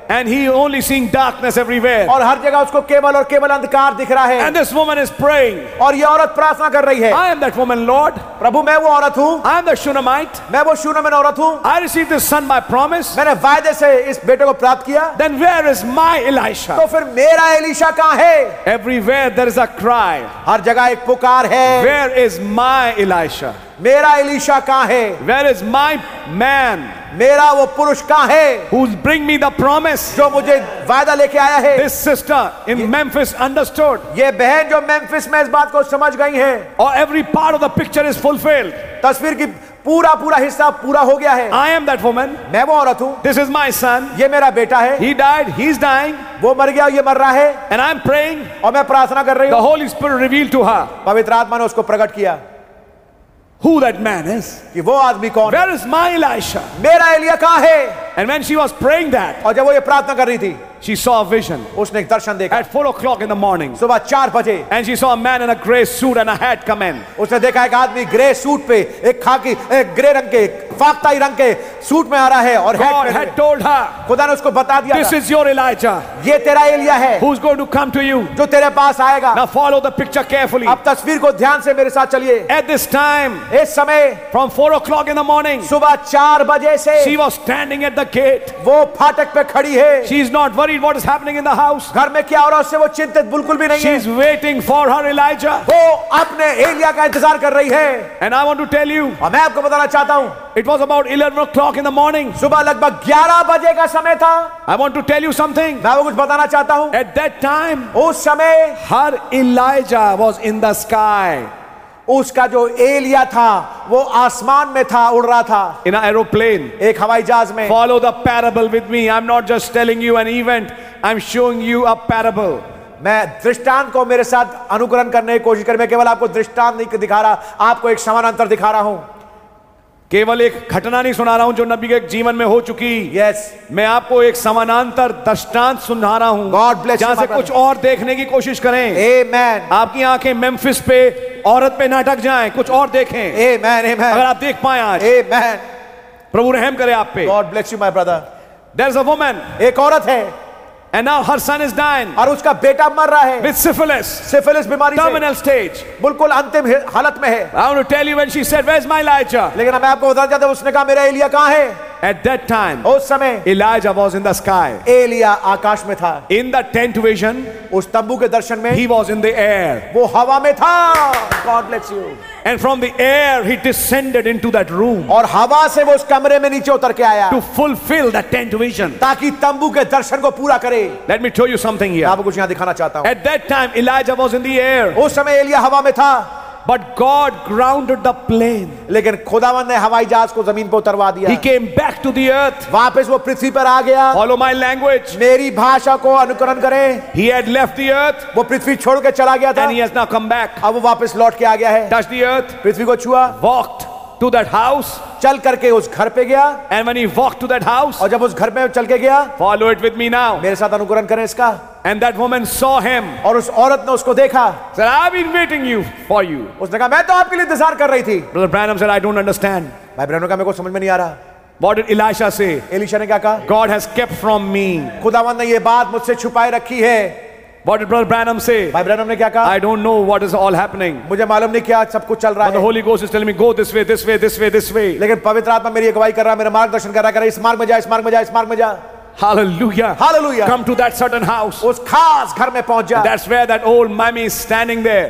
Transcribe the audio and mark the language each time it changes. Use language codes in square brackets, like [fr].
[en] And he only seeing darkness everywhere. [hi] और हर जगह उसको केवल और केवल अंधकार दिख रहा है. [en] And this woman is praying. [hi] और ये औरत प्रार्थना कर रही है. [en] I am that woman, Lord. [hi] प्रभु मैं वो औरत हूँ. [en] I am the Shunammite. [hi] मैं वो शूनमिते औरत हूँ. [en] I received this son by promise. [hi] मैंने वायदे से इस बेटे को प्राप्त किया. [en] Then where is my Elisha? [hi] तो फिर मेरा एलिशा कहाँ है? [en] Everywhere there is a cry. [hi] हर जगह एक पुकार है. [en] Where is my Elisha? [hi] मेरा एलिशा कहाँ है? [en] Where is my man? [hi] मेरा वो पुरुष कहाँ है? [en] Who's bring me the promise? [hi] जो मुझे वादा लेके आया है. [en] This sister in Memphis understood. [hi] ये बहन जो Memphis में इस बात को समझ गई है. [en] Or every part of the picture is fulfilled. [hi] तस्वीर की पूरा पूरा हिस्सा पूरा हो गया है. [en] I am that woman. [hi] मैं वो औरत हूँ. [en] This is my son. [hi] ये मेरा बेटा है. [en] He died. He's dying. [hi] वो मर गया ये मर रहा है. [en] And I'm praying. [hi] और मैं प्रार्थना कर रही हूँ. [en] The Holy Spirit revealed to her. [hi] पवित्र आत्मा ने उसको प्रकट किया. [en] Who that man is? [hi] कि वो आदमी कौन? [en] Where is my Elisha? [hi] मेरा एलिया कहाँ है? [en] And when she was praying that, [hi] और जब वो ये प्रार्थना कर रही थी, [en] She saw a vision. [hi] उसने एक दर्शन देखा. [en] At 4 o'clock in the morning. [hi] सुबह 4 बजे. [en] And she saw a man in a grey suit and a hat come in. [hi] उसने देखा एक आदमी grey suit पे एक खाकी एक grey रंग के फाकताई रंग के suit में आ रहा है और [en] God had told her. [hi] खुदा ने उसको बता दिया. [en] This is your Elijah. [hi] ये तेरा एलिया है. [en] Who's going to come to you? [hi] जो तेरे पास आएगा. [en] Now follow the picture carefully. [hi] अब तस्वीर को ध्यान से मेरे साथ चलिए. [en] At this time. [hi] इस समय. [en] From 4 o'clock in the morning. [hi] सुबह 4 बजे से. [en] She was standing at the gate. [hi] वो फाटक पे खड़ी है. [en] She is not worried what is happening in the house. [hi] घर में क्या हो रहा है उससे वो चिंतित बिल्कुल भी नहीं है. [en] She is waiting for her Elijah. [hi] वो अपने एलिया का इंतजार कर रही है. [en] And I want to tell you. [hi] और मैं आपको बताना चाहता हूँ. [en] It was about 11 o'clock in the morning. [hi] सुबह लगभग 11 बजे का समय था. [en] I want to tell you something. [hi] मैं आपको कुछ बताना चाहता हूँ. [en] At that time. [hi] उस समय. [en] Her Elijah was in the sky. [hi] उसका जो एलिया था वो आसमान में था उड़ रहा था. [en] In an aeroplane. [hi] एक हवाई जहाज में. [en] Follow the parable with me. I'm not just telling you an event. I'm showing you a parable. [hi] मैं दृष्टांत को मेरे साथ अनुकरण करने की कोशिश कर मैं केवल आपको दृष्टांत नहीं दिखा रहा आपको एक समानांतर दिखा रहा हूं. केवल एक घटना नहीं सुना रहा हूं जो नबी के जीवन में हो चुकी. [en] Yes. [hi] मैं आपको एक समानांतर दृष्टांत सुना रहा हूं. [en] God bless [hi] जहां से कुछ और देखने की कोशिश करें. [en] Amen. [hi] आपकी आंखें मेम्फिस पे औरत पे ना अटक जाएं कुछ और देखें. [en] Amen, amen. [hi] अगर आप देख पाए आज. [en] Amen. [hi] प्रभु रहम करे आप पे. [en] God bless you, my brother. There's a woman. [hi] एक औरत है. [en] And now her son is dying. [hi] और उसका बेटा मर रहा है. [en] With syphilis. [hi] Syphilis बीमारी से. [en] Terminal stage. [hi] बिल्कुल अंतिम हालत में है. [en] I want to tell you when she said, "Where's my Elijah?" [hi] लेकिन मैं आपको बताना चाहता हूँ उसने कहा मेरा एलिया कहाँ है? [en] At that time. [hi] उस समय. [en] Elijah was in the sky. [hi] Elia आकाश में था. [en] In the tent vision. [hi] उस तंबू के दर्शन में. [en] He was in the air. [hi] वो हवा में था. [en] God bless you. And from the air he descended into that room. [hi] और हवा से वो उस कमरे में नीचे उतर के आया. [en] To fulfill the tent vision. [hi] ताकि तंबू के दर्शन को पूरा करे. [en] Let me show you something here. [hi] आपको कुछ यहाँ दिखाना चाहता हूँ. [en] At that time Elijah was in the air. [hi] उस समय एलिया हवा में था. [en] But God grounded the plane. [hi] लेकिन खुदावन ने हवाई जहाज को जमीन पर उतरवा दिया. [en] He came back to the earth. [hi] वापस वो पृथ्वी पर आ गया. [en] Follow my language. [hi] मेरी भाषा को अनुकरण करें. [en] He had left the earth. [hi] वो पृथ्वी छोड़ के चला गया था. [en] And he has now come back. [hi] अब वो वापस लौट के आ गया है. [en] Touched the earth. [hi] पृथ्वी को छुआ. [en] Walked to that house. [hi] चल करके उस घर पे गया. [en] And when he walked to that house. [hi] और जब उस घर पे चल के गया. [en] Follow it with me now. [hi] मेरे साथ अनुकरण करें इसका. [en] And that woman saw him. [hi] और उस औरत ने उसको देखा. [en] Said, "I've been waiting you for you." [hi] उसने कहा, मैं तो आपके लिए इंतजार कर रही थी. [en] Brother Branham said, "I don't understand." [hi] भाई ब्रैनम का मेरे को समझ में नहीं आ रहा. [en] What did Elisha say? [hi] Elisha ने क्या कहा? [en] God has kept from me. [hi] खुदावंद ने ये बात मुझसे छुपाए रखी है. [en] What did Brother Branham say? [hi] भाई ब्रैनम ने क्या कहा? [en] I don't know what is all happening. [hi] मुझे मालूम नहीं क्या सब कुछ चल रहा है. [en] But the Holy Ghost is telling me, go this way, this way, this way, this way. [hi] लेकिन पवित्र आत्मा मेरी अगुवाई कर रहा है, मेरा मार्गदर्शन कर रहा है, इस मार्ग में जा, इस मार्ग में जा, इस मार्ग में जा. Hallelujah. Hallelujah. [en] Come to that certain house. [hi] उस खास घर में पहुंच जा. [en] That's where that old mummy is standing there.